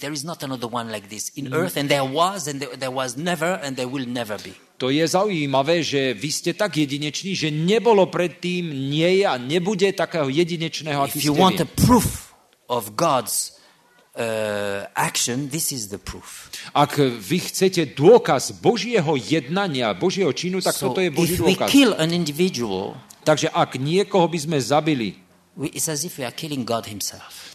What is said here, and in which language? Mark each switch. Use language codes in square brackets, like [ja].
[en] There is not another one like this in earth, and there was, and there was never, and there will never be. [sk] To je zaujímavé, že vy ste tak jedineční, že nebolo predtým, nie je a nebude takého jedinečného, aký ste vy. [en] If you want a proof of God's action, this is the proof. [sk] Ak vy chcete dôkaz Božieho jednania, Božieho činu, tak toto je Boží dôkaz. [en] If we kill an individual, [sk] takže ak niekoho by sme zabili, [en] it's as if we are killing God himself.